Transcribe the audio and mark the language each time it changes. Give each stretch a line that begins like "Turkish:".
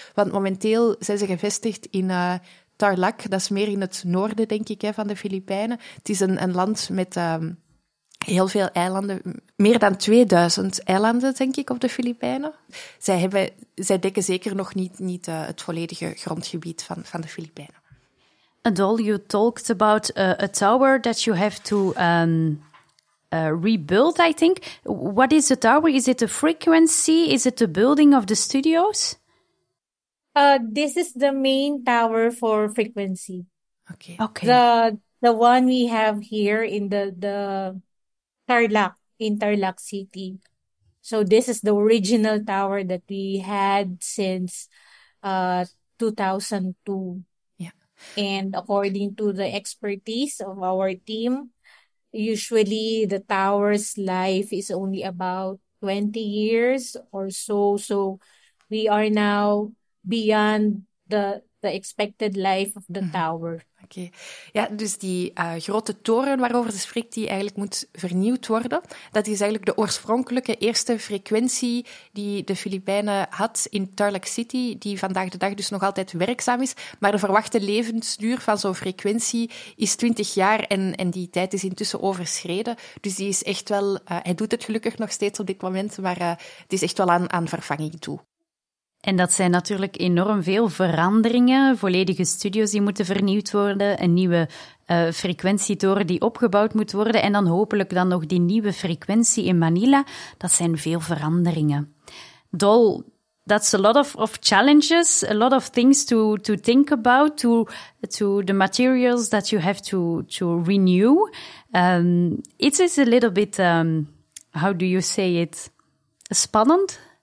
Dutch: Want momenteel zijn ze gevestigd in Tarlac. Dat is meer in het noorden, denk ik, hè, van de Filipijnen. Het is een land met heel veel eilanden, meer dan 2000 eilanden, denk ik, op de Filipijnen. Zij dekken zeker nog niet het volledige grondgebied van de Filipijnen.
English: And all you talked about a tower that you have to rebuild, I think. What is the tower? Is it a frequency? Is it the building of the studios? This is the main tower for frequency. Okay. The one we have here in the Tarlac, in Tarlac City. So this is the original tower that we had since 2002. Yeah. And according to the expertise of our team, usually the tower's life is only about 20 years or so. So we are now beyond the expected life of the tower.
Dutch: Oké. Ja, dus die grote toren waarover ze spreekt, die eigenlijk moet vernieuwd worden, dat is eigenlijk de oorspronkelijke eerste frequentie die de Filipijnen had in Tarlac City, die vandaag de dag dus nog altijd werkzaam is. Maar de verwachte levensduur van zo'n frequentie is 20 jaar en die tijd is intussen overschreden. Dus die is echt wel, hij doet het gelukkig nog steeds op dit moment, maar het is echt wel aan vervanging toe. En dat zijn natuurlijk enorm veel veranderingen, volledige studio's die moeten vernieuwd worden, een nieuwe frequentietoren die opgebouwd moet worden en dan hopelijk dan nog die nieuwe frequentie in Manila. Dat zijn veel veranderingen.
English: Dol, that's a lot of challenges, a lot of things to think about, to the materials that you have to renew. It is a little bit, how do you say it, spannend?